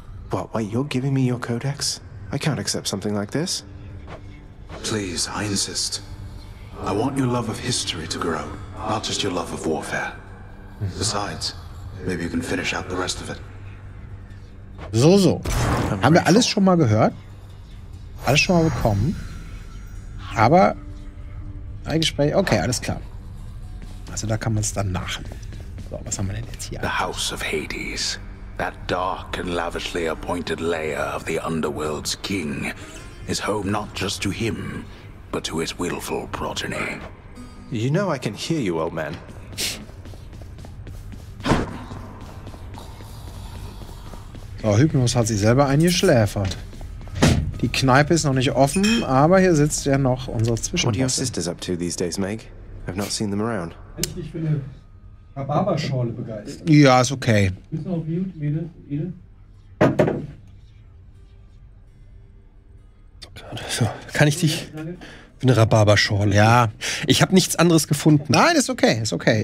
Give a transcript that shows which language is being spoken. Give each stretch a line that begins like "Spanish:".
English: What, wait, you're giving me your codex? I can't accept something like this. Please, I insist. I want your love of history to grow, not just your love of warfare. Besides, maybe you can finish out the rest of it.
German: So, so. Haben wir alles schon mal gehört? Alles schon mal bekommen? Aber. Ein Gespräch. Okay, alles klar. Also da kann man es dann nachlesen. So, was haben wir denn jetzt hier?
English: The House of Hades, that dark and lavishly appointed lair of the underworld's king, is home not just to him, but to his willful progeny. You know I can hear you, old man.
German: So, Hypnos hat sich selber eingeschläfert. Die Kneipe ist noch nicht offen, aber hier sitzt ja noch unser Zwischenboss.
English: What are your sisters up to these days, Meg? I've not seen them around.
German: Ich bin eine Rhabarberschorle begeistert. Ja, ist okay. Bist du auf mute, Mädel? So, kann ich dich für eine Rhabarberschorle? Ja. Ich habe nichts anderes gefunden. Nein, ist okay, ist okay.